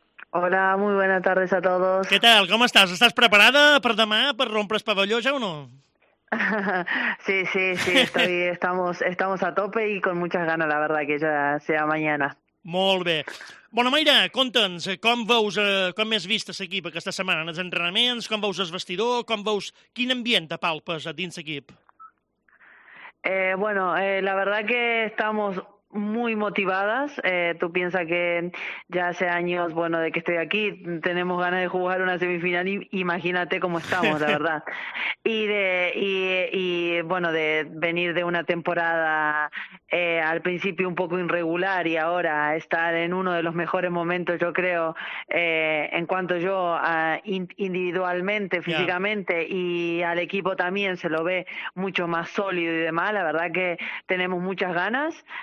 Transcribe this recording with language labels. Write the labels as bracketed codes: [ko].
[es] Hola, muy buenas tardes a todos. ¿Qué tal? ¿Cómo estás? ¿Estás preparada [ca] per demà per rompre el pavelló ja o no? [es] Sí, estamos a tope i con muchas ganas, la verdad, que ja sea mañana. [ca] Molt bé. Bona, Mayra, conta'ns, com veus, com has vist aquest equip aquesta setmana en els entrenaments, com veus el vestidor, com veus, quin ambient te palpes dins l'equip? [es] La verdad que estamos muy motivadas. Tú piensas que ya hace años, bueno, de que estoy aquí, tenemos ganas de jugar una semifinal, imagínate cómo estamos, la verdad. Y de venir de una temporada al principio un poco irregular y ahora estar en uno de los mejores momentos, yo creo, en cuanto yo individualmente, físicamente, y al equipo también se lo ve mucho más sólido y demás, la verdad que tenemos muchas ganas.